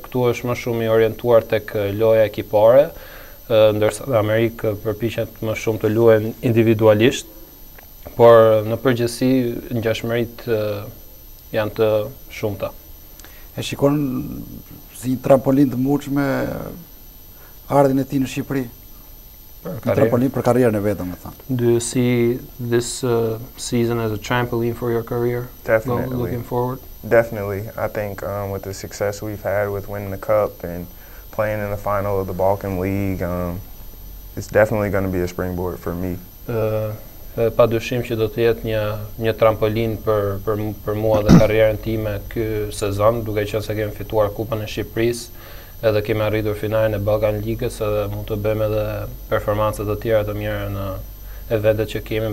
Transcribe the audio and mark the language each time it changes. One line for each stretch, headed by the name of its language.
Albanian: Këtu është më shumë i orientuar tek loja ekipore, ndërsa në Amerikë përpiqet më shumë të luajnë individualisht. Por në përgjithësi ngjashmëritë janë të shumta. E shikon si një trampolin të mbushur me ardhin e tij në Shqipëri? trampoline për karrierën e vet, domethënë.
English: Do you see this season as a trampoline for your career? Definitely. Looking forward. Definitely. I think with the success we've had with winning the cup and playing in the final of the Balkan League, it's definitely going to be a springboard for me.
Albanian: Pa dyshim që do të jetë një trampolin për mua dhe karrierën time ky sezon, duke qenë se kemi fituar Kupën e Shqipërisë, edhe kemi arritur finalen e Balkan Ligës, edhe mund të bëjmë edhe performanca të tjera të mira në eventet që kemi.